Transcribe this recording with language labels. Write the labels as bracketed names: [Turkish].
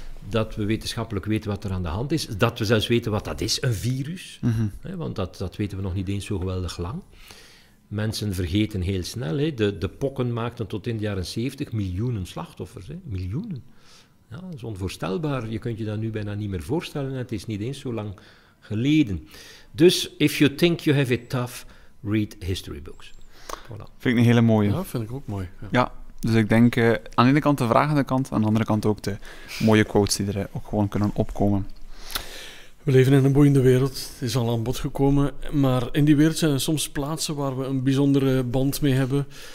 [Dutch] Dat we wetenschappelijk weten wat er aan de hand is. Dat we zelfs weten wat dat is, een virus. Mm-hmm. Hè, want dat weten we nog niet eens zo geweldig lang. Mensen vergeten heel snel. Hè, de pokken maakten tot in de jaren 70 miljoenen slachtoffers. Hè, miljoenen. Ja, dat is onvoorstelbaar. Je kunt je dat nu bijna niet meer voorstellen. Het is niet eens zo lang geleden. [English] Dus, if you think you have it tough, read history books. [Dutch] Voilà. Vind ik een hele mooie. Ja, vind ik ook mooi. Ja, ja, dus ik denk aan de ene kant de vragende kant, aan de andere kant ook de mooie quotes die er ook gewoon kunnen opkomen. We leven in een boeiende wereld. Het is al aan bod gekomen. Maar in die wereld zijn er soms plaatsen waar we een bijzondere band mee hebben.